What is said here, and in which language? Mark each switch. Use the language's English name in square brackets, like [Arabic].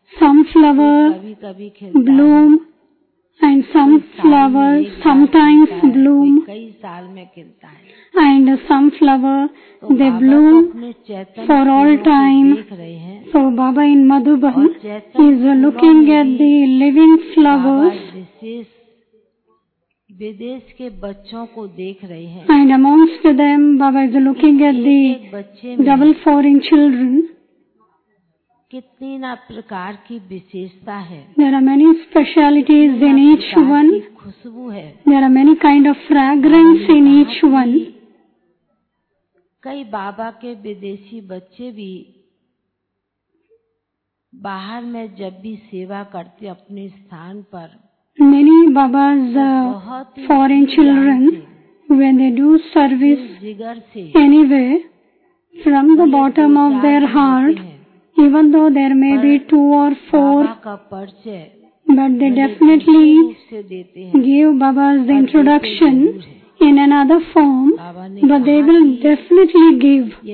[English] Some flower bloom and some flower sometimes bloom. [Hindi] कई साल में खिलता है [English] And some flower they bloom for all time. So Baba in Madhuban is looking at the living flowers. [Hindi] विदेश के बच्चों को देख रहे हैं [English] and amongst them Baba is looking at the double foreign children [Hindi] कितनी ना प्रकार की विशेषता है [English] there are many specialities in each one [Hindi] खुशबू है [English] there are many kind of fragrance in each one [Hindi] कई बाबा के विदेशी बच्चे भी बाहर में जब भी सेवा करते अपने स्थान पर [English] Many Baba's foreign children, when they do service anywhere, from the bottom of their heart, even though there may be two or four, but they definitely give Baba's introduction in another form, but they will definitely give.